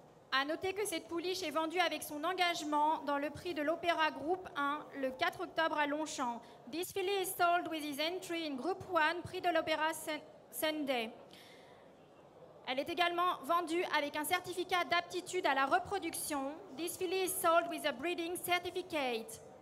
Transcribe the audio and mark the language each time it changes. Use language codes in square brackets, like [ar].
[fr] A noter que cette pouliche est vendue avec son engagement dans le prix de l'Opéra Groupe 1 le 4 octobre à Longchamp. [en] This filly is sold with his entry in Group 1, prix de l'Opéra Sunday. [fr] Elle est également vendue avec un certificat d'aptitude à la reproduction. [en] This filly is sold with a breeding certificate.